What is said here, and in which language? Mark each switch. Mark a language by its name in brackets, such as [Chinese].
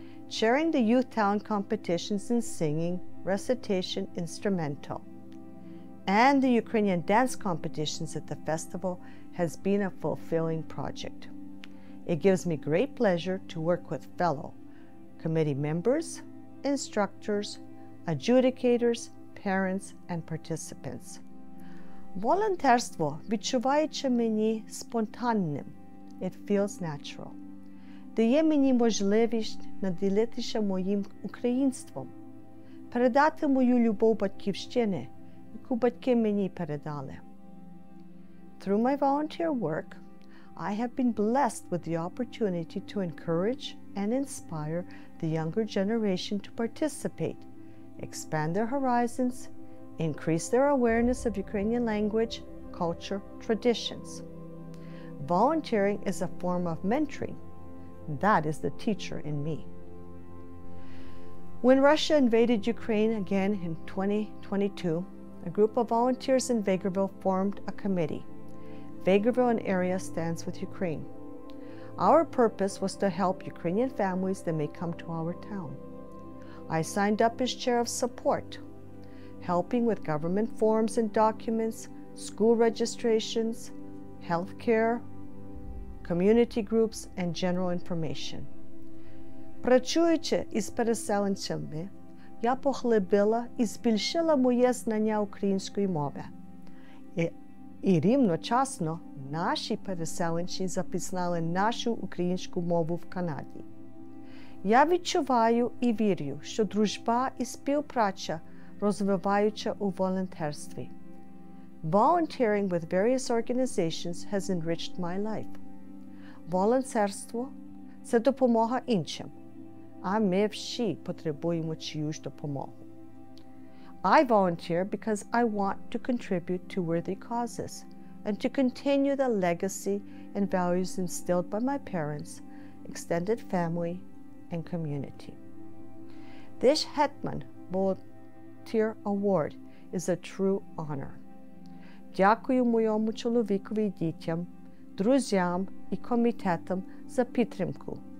[English] Chairing the youth talent competitions in singing, recitation, instrumental, and the Ukrainian dance competitions at the festival has been a fulfilling project. It gives me great pleasure to work with fellow committee members, instructors, adjudicators, parents, and participants. [Ukrainian] Волонтерство відчувається мені спонтанним. [English] It feels natural. [Ukrainian] Дає мені можливість наділитися моїм українством, передати мою любов батьківщини, яку батьки мені передали. [English] Through my volunteer work, I have been blessed with the opportunity to encourage and inspire the younger generation to participate, expand their horizons, increase their awareness of Ukrainian language, culture, traditions. Volunteering is a form of mentoring. That is the teacher in me. When Russia invaded Ukraine again in 2022, a group of volunteers in Vagerville formed a committee. Vagerville and area stands with Ukraine. Our purpose was to help Ukrainian families that may come to our town. I signed up as chair of support, helping with government forms and documents, school registrations, healthcare, community groups, and general information. [Ukrainian] Працюючи із переселенцями, я поглибила і збільшила моє знання української мови. І рівночасно наші переселенці запізнали нашу українську мову в Канаді. Я відчуваю і вірю, що дружба і співпраця розвиваються у волонтерстві. [English] Volunteering with various organizations has enriched my life. [Ukrainian] Волонтерство – це допомога іншим, а ми всі потребуємо чиюсь допомогу. [English] I volunteer because I want to contribute to worthy causes and to continue the legacy and values instilled by my parents, extended family, and community. This Hetman Volunteer Award is a true honor. [Ukrainian] Дякую моєму чоловікові, дітям, друзям і комітетам за підтримку.